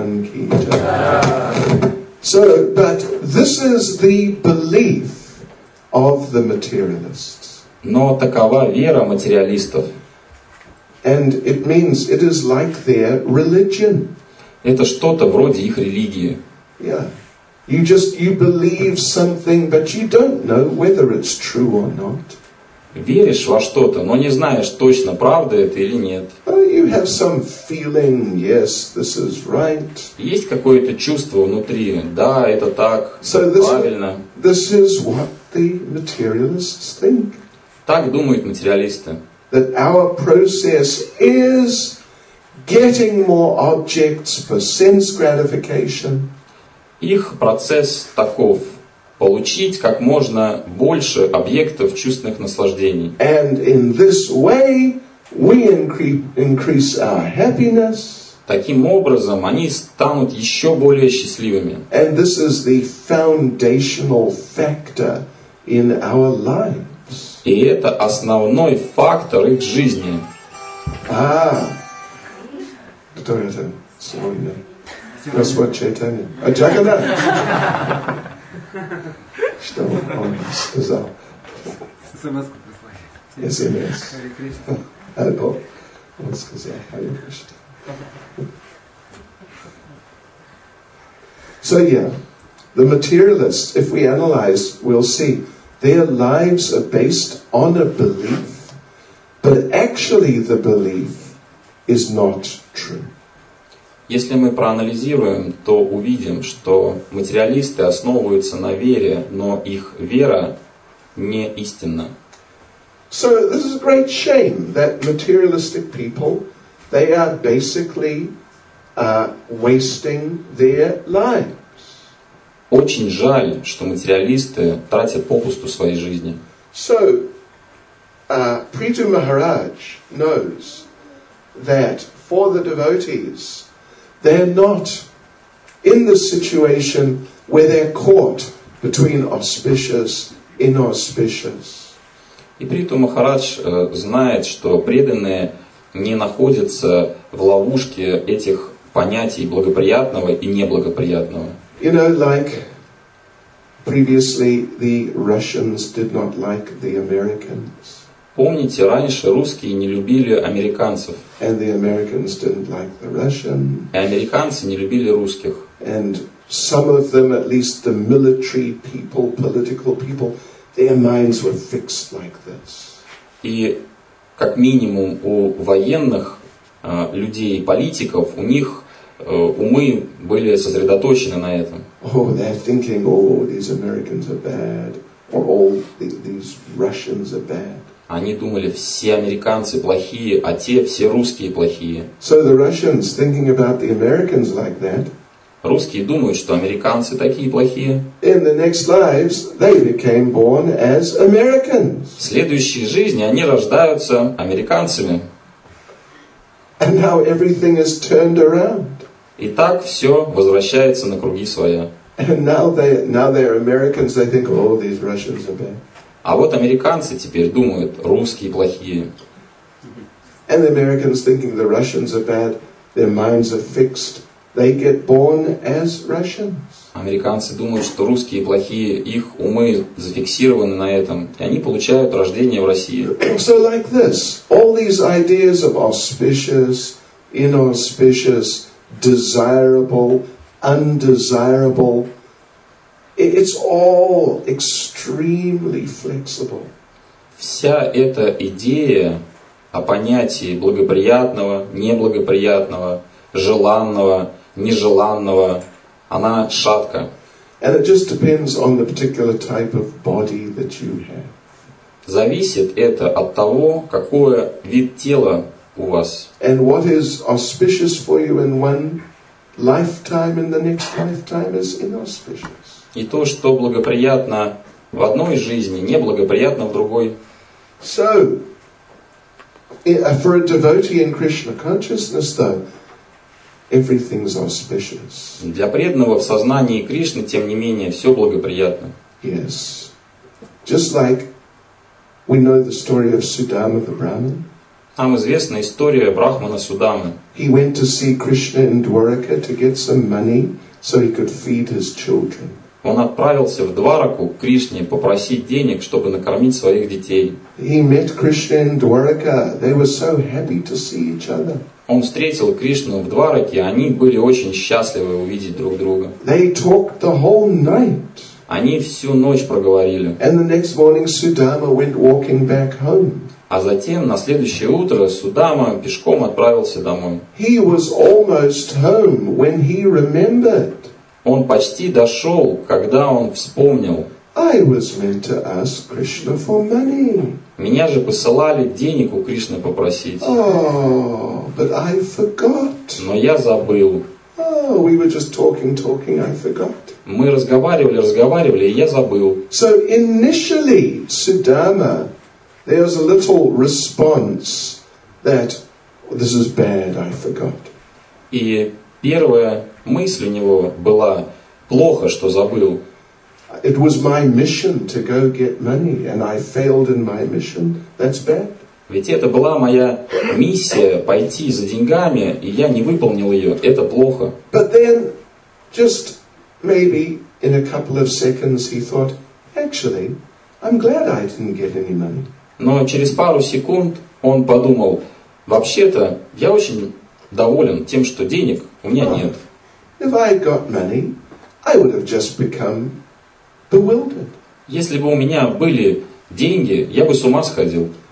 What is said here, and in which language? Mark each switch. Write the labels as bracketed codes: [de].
[en] So, but this is the belief of the materialists. [ru] Но такова вера материалистов. [en] And it means it is like their religion. [ru] Это что-то вроде их религии. [en] Yeah. You believe something, but you don't know whether it's true or not. [ru] Веришь во что-то, но не знаешь точно, правда это или нет. [en] You have some feeling, yes, this is right. [ru] Есть какое-то чувство внутри, да, это так, so [en] this, [ru] правильно. [en] This is what the materialists think. [ru] Так думают материалисты. [en] That our process is getting more objects for sense gratification. [ru] Их процесс таков: получить как можно больше объектов чувственных наслаждений. [en] And in this way we increase our happiness. [ru] Таким образом они станут еще более счастливыми. [en] And this is the foundational factor in our lives. [ru] И это основной фактор их жизни. Кто это? Сегодня. Господь Чайтанья. А Джаганат? Что он сказал? СМС-ку прислали. СМС. Харе Кришна. Он сказал Харе Кришна. [en] So yeah, the materialists, if we analyze, we'll see their lives are based on a belief, but actually the belief is not true. [ru] Если мы проанализируем, то увидим, что материалисты основываются на вере, но их вера не истинна. [en] So this is a great shame that materialistic people, they are basically wasting their lives. [ru] Очень жаль, что материалисты тратят попусту свои жизни. [en] So Prithu Maharaj knows that for the devotees, they're not in the situation where they're caught between auspicious, inauspicious. [ru] И Притху Махарадж знает, что преданные не находятся в ловушке этих понятий благоприятного и неблагоприятного. [en] You know, like previously the Russians did not like the Americans. [ru] Помните, раньше русские не любили американцев. [en] And the Americans didn't like the Russians. [ru] И американцы не любили русских. [en] And some of them, at least the military people, political people, Their minds were fixed like this. [ru] И как минимум у военных людей, политиков, у них умы были сосредоточены на этом. [en] Oh, they're thinking, oh, these Americans are bad, or all these Russians are bad. [ru] Они думали, все американцы плохие, а те все русские плохие. [en] So the Russians, thinking about the Americans like that, [ru] русские думают, что американцы такие плохие. [en] In the next lives, they became born as Americans. [ru] В следующей жизни они рождаются американцами. [en] And now everything is turned around. [ru] И так все возвращается на круги своя. [en] And now they are Americans, they think, oh, these Russians are bad. [ru] А вот американцы теперь думают, русские плохие. [en] And the Americans thinking the Russians are bad, their minds are fixed. They get born as Russians. [ru] Американцы думают, что русские плохие, их умы зафиксированы на этом, и они получают рождение в России. [en] So like this, all these ideas of auspicious, inauspicious, desirable, undesirable. It's all extremely flexible. [ru] Вся эта идея о понятии благоприятного, неблагоприятного, желанного, нежеланного, она шатка. [en] And it just depends on the particular type of body that you have. [ru] Зависит это от того, какой вид тела у вас. [en] And what is auspicious for you in one lifetime, in the next lifetime is inauspicious. [ru] И то, что благоприятно в одной жизни, неблагоприятно в другой. [en] So, for a devotee in Krishna consciousness, though, everything's auspicious. [ru] Для преданного в сознании Кришны, тем не менее, все благоприятно. [en] Yes. Just like we know the story of Sudama the Brahmin. [ru] Нам известна история Брахмана Судамы. [en] He went to see Krishna in Dwaraka to get some money so he could feed his children. [ru] Он отправился в Двараку к Кришне попросить денег, чтобы накормить своих детей. [en] He met Krishna in Dwaraka. They were so happy to see each other. [ru] Он встретил Кришну в Двараке, они были очень счастливы увидеть друг друга. [en] They talked the whole night. [ru] Они всю ночь проговорили. [en] And the next morning Sudama went walking back home. [ru] А затем на следующее утро Судама пешком отправился домой. [en] He was almost home when he remembered. [ru] Он почти дошел, когда он вспомнил. [en] I was meant to ask Krishna for money. [ru] Меня же посылали денег у Кришны попросить. [en] Oh, but I forgot. [ru] Но я забыл. [en] Oh, we were just talking, I forgot. [ru] Мы разговаривали, и я забыл. [en] So initially, Sudama, there's a little response that this is bad, I forgot. [ru] И первое. Мысль у него была плохо, что забыл. [en] It was my mission to go get money, and I failed in my mission. That's bad. [ru] Ведь это была моя миссия пойти за деньгами, и я не выполнил ее. Это плохо. [en] But then, just maybe in a couple of seconds, he thought, actually, I'm glad I didn't get any money. [ru] Но через пару секунд он подумал, вообще-то я очень доволен тем, что денег у меня нет. [en] If I had got money, I would have just become bewildered. [ru] Если бы у меня были деньги, я бы с ума сходил.